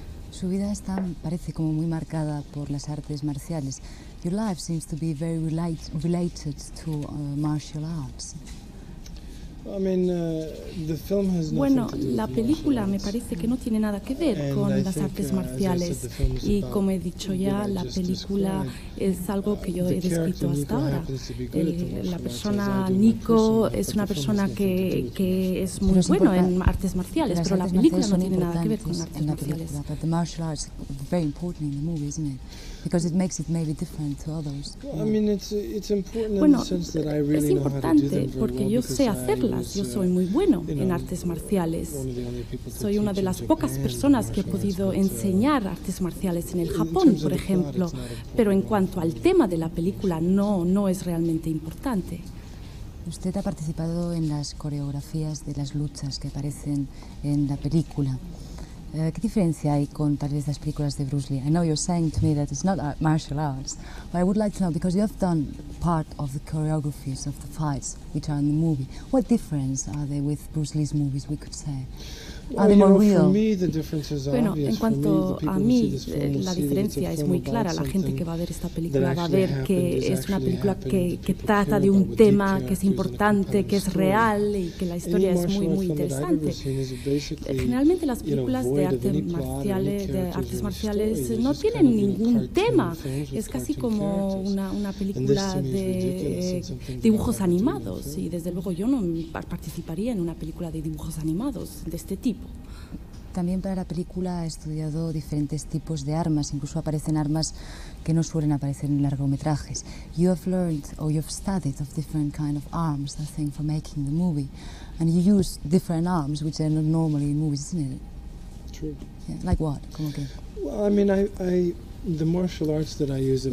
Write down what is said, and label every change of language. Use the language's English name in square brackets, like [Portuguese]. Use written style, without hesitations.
[Spanish] Su vida está, parece como muy marcada por las artes marciales. [English] Your life seems to be very related to martial arts. I mean, the film has nothing [Spanish] bueno, la película me parece que no tiene nada que ver con las artes marciales. Y como he dicho ya, la película es algo que yo he descrito hasta ahora. La persona Nico es una persona que es muy bueno en artes marciales, pero la película no tiene nada que ver con artes marciales. [English] But the martial arts are very important in the movie, isn't it? Because it makes it maybe different to others. I mean, it's important in the sense that I really know how to do them very well. [Spanish] Yo sé hacerlas. Yo soy muy bueno en artes marciales. Soy una de las pocas personas que he podido enseñar artes marciales en el Japón, por ejemplo. Pero en cuanto al tema de la película, no es realmente importante. Usted ha participado en las coreografías de las luchas que aparecen en la película. ¿Qué diferencia hay con tal vez las películas de Bruce Lee? [English] I know you're saying to me that it's not martial arts, but I would like to know, because you have done part of the choreographies of the fights which are in the movie, what difference are they with Bruce Lee's movies, we could say? [Spanish] Bueno, en cuanto a mí, la diferencia es muy clara. La gente que va a ver esta película va a ver que es una película que trata de un tema que es importante, que es real y que la historia es muy, muy interesante. Generalmente las películas de artes marciales no tienen ningún tema. Es casi como una película de dibujos animados. Y desde luego yo no participaría en una película de dibujos animados de este tipo. También para la película ha estudiado diferentes tipos de armas, incluso aparecen armas que no suelen aparecer en largometrajes. [English] You have learned or you have studied of different kind of arms, I think, for making the movie, and you use different arms which are not normally in movies, isn't it? True. Yeah, like what? [Spanish] Como que. [English] Well, I mean, the martial arts that I use have